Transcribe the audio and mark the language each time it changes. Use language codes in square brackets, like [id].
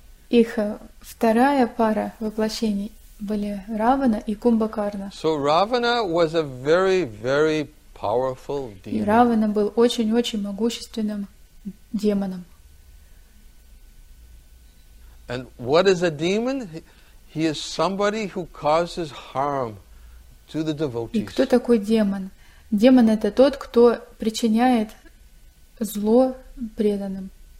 [ru] Их вторая пара воплощений были Равана и Кумбхакарна. [en] So Ravana was a very, very powerful demon. [ru] И Равана был очень-очень могущественным демоном. [en] And what is a demon? He is somebody who causes harm to the devotees. [ru] И кто такой демон? Демон — это тот, кто причиняет зло преданным.